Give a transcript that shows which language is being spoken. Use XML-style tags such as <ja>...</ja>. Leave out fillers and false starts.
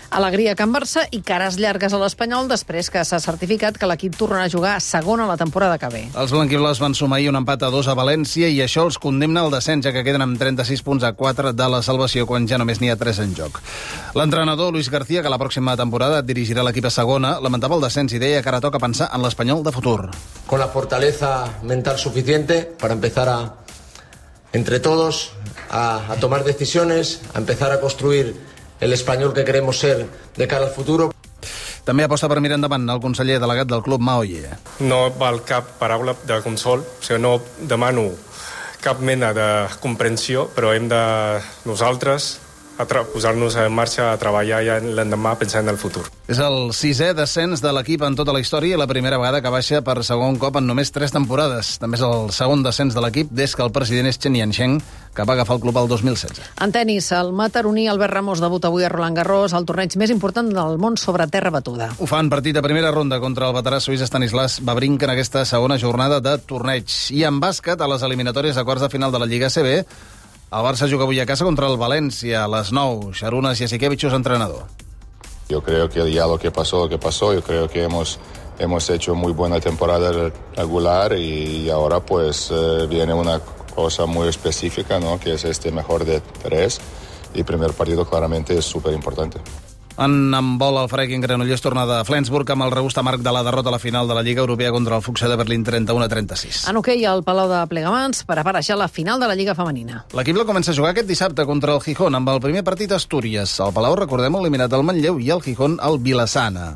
<ca>Alegria a Can Barça i cares llargues a l'Espanyol després que s'ha certificat que l'equip tornarà a jugar a segona la temporada que ve. Els blanquibles van sumar ahir un empat a 2 a València i això els condemna al descens, ja que queden amb 36 punts a 4 de la salvació quan ja només n'hi ha 3 en joc. L'entrenador Luis García, que la pròxima temporada dirigirà l'equip a segona, lamentava el descens i deia que ara toca pensar en l'Espanyol de futur.</ca> <es>Con la fortaleza mental suficiente para empezar a entre todos, a tomar decisiones, a empezar a construir el español que queremos ser de cara al futuro.</es> <ca>També aposta per mirar endavant el conseller delegat del club, Mao Ye. No val cap paraula de consol, o sigui, no demano cap mena de comprensió, però hem de nosaltres posar-nos en marxa a treballar ja l'endemà pensant en el futur. És el sisè descens de l'equip en tota la història i la primera vegada que baixa per segon cop en només 3 temporades. També és el segon descens de l'equip des que el president és Chen Yansheng, que va agafar el club el 2016. En tenis, el mataroní Albert Ramos debuta avui a Roland Garros, el torneig més important del món sobre terra batuda. Ho fa en partit de primera ronda contra el veterà suís Stanislas Wawrinka en aquesta segona jornada de torneig. I en bàsquet, a les eliminatòries de quarts de final de la Lliga ACB, el Barça juga avui a casa contra el València, a les 9. Xarunas Jasikevičius, entrenador.</ca> <es>Yo creo que ya lo que pasó, yo creo que hemos hecho muy buena temporada regular y ahora pues viene una cosa muy específica, ¿no? Que es este mejor de tres y primer partido claramente es súper importante.</es> <ca>En handbol, el Frank Granollers torna de Flensburg amb el regust amarg de la derrota a la final de la Lliga Europea contra el Fuchsia de Berlín 31-36. En hoquei, el Palau de Plegamans prepara ja la final de la Lliga Femenina. L'equip la comença a jugar aquest dissabte contra el Gijón amb el primer partit a Astúries. El Palau, recordem, ha eliminat el Manlleu i el Gijón el Vilassana.</ca>